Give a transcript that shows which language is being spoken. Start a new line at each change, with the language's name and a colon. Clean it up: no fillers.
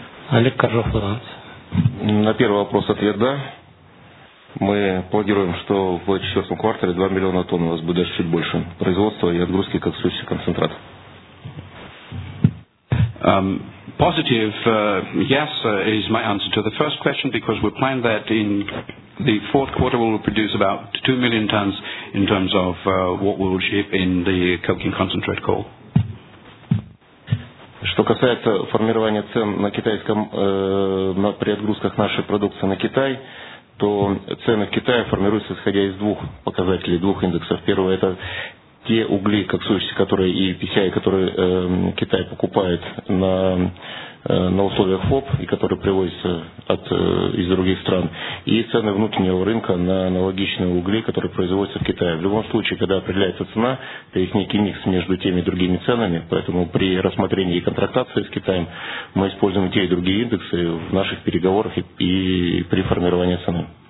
Russian: Олег Коржов, Франц. На первый вопрос ответ «да». Мы планируем, что в четвертом квартале 2 миллиона тонн у нас будет даже чуть больше производства и отгрузки коксующегося концентрата.
English: Positive yes is my answer to the first question, because we plan that in the fourth quarter we will produce about 2 million tons in terms of what we will ship in the coking concentrate coal.
Russian: Что касается формирования цен на китайском при отгрузках нашей продукции на Китай, то цены в Китае формируются исходя из двух показателей, двух индексов. Первый – это те угли, коксующиеся, которые и PCI, которые Китай покупает на условиях ФОП и которые привозятся из других стран, и цены внутреннего рынка на аналогичные угли, которые производятся в Китае. В любом случае, когда определяется цена, то есть некий микс между теми и другими ценами, поэтому при рассмотрении и контрактации с Китаем мы используем те и другие индексы в наших переговорах и при формировании цены.